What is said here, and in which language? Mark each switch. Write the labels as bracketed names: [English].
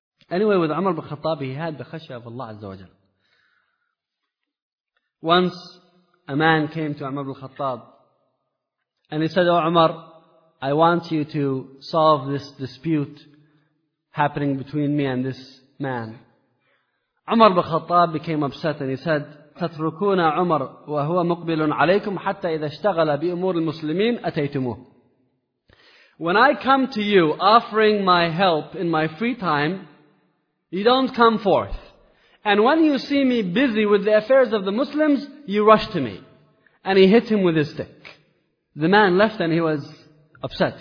[English] Anyway, with Umar bin Khattab, he had the khashya of Allah Azza wa Jalla. Once a man came to Umar bin Khattab and he said, oh Umar, I want you to solve this dispute happening between me and this man. Umar bin Khattab became upset and he said, [Arabic] تَتْرُكُونَ عُمَرْ وَهُوَ مُقْبِلٌ عَلَيْكُمْ حَتَّى إِذَا اشْتَغَلَ بِأُمُورِ الْمُسْلِمِينَ أَتَيْتُمُهُ. [English] When I come to you offering my help in my free time, you don't come forth. And when you see me busy with the affairs of the Muslims, you rush to me. And he hit him with his stick. The man left and he was upset.